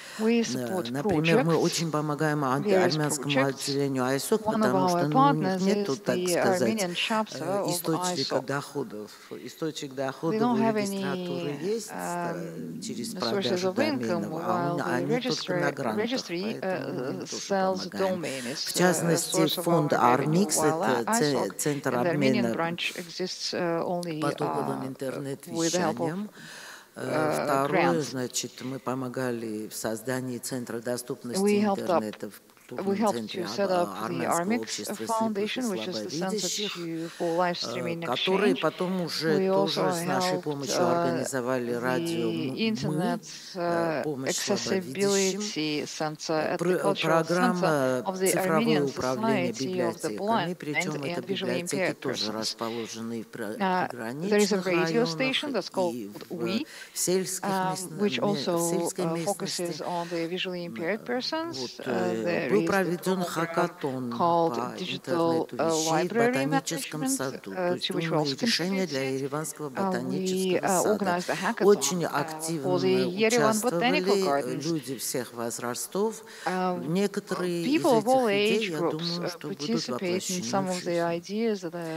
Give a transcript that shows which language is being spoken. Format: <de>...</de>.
<ru>Например, мы очень помогаем армянскому отделению АЭСОК, потому что у них нет, так сказать, источник доходов у регистратуры есть через продажу доменов, а они только на грантах, поэтому мы им тоже помогаем. В частности, фонд Armix, это центр обмена потоковым интернет-вещанием. Второе, значит, мы помогали в создании центра доступности интернета в</ru> <en>We helped to set up the Armix Foundation, which is the center for live streaming exchange. We also helped Internet Accessibility Center at the Cultural Center of the Armenian Society of the Blind and Visually Impaired Persons. There is a radio station that's called WE, which also focuses on the visually impaired persons.</en> <ru>Был проведен хакатон по интернету-вещей и ботаническом саду, то есть умные решения для Ереванского ботанического сада. Очень активно участвовали люди всех возрастов. Некоторые из этих идей, я думаю, что будут воплощены в жизнь.</ru>